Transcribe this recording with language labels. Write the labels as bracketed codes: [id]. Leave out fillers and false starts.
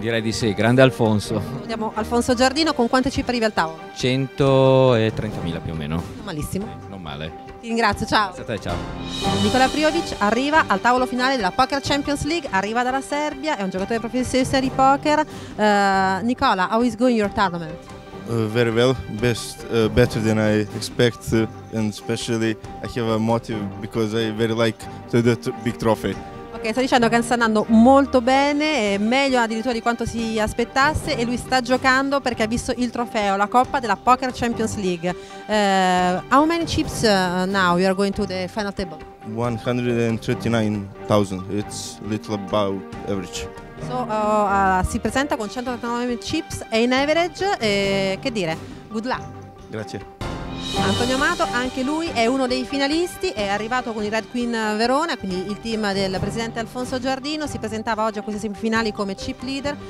[it] Direi di sì, grande Alfonso. Andiamo, Alfonso Giardino, con quante cifre arrivi al tavolo? 130.000 più o meno. Non malissimo. Non male. Ti ringrazio, ciao. Grazie a te, ciao. Nicola Priovic arriva al tavolo finale della Poker Champions League, arriva dalla Serbia, è un giocatore professionista di serie poker. [en] Nicola, how is going your tournament? Very well, better than I expect, and especially I have a motive because I very like the big trophy. [it] Ok, sta dicendo che sta andando molto bene, meglio addirittura di quanto si aspettasse, e lui sta giocando perché ha visto il trofeo, la coppa della Poker Champions League. [en] How many chips now you are going to the final table? 139,000, it's little about average. [it] So, si presenta con 139 chips e in average, che dire, [en] good luck. [it] Grazie. Antonio Amato, anche lui è uno dei finalisti, è arrivato con i Red Queen Verona, quindi il team del presidente Alfonso Giardino, si presentava oggi a queste semifinali come chip leader.